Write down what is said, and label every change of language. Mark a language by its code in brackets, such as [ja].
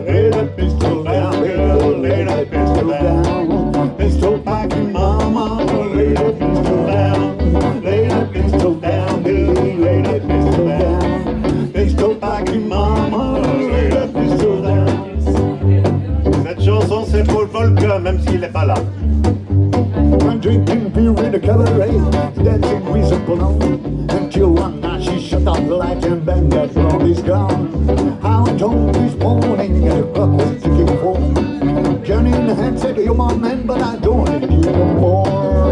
[en] Lay that pistol down, girl, lay that pistol down. Pistol back in mama, lay that pistol down. Lay that pistol down, girl, lay that pistol down. Pistol back in mama, lay that pistol down. [fr] Cette chanson, c'est pour Volker, même s'il n'est pas là. [en] I'm drinking beer in a cabaret, dancing with a blonde. Until one night she shut off the light and bang, that blonde is gone. How told this morning and the clock was ticking four. Johnny in the hand said, you're my man, but I don't need you no more.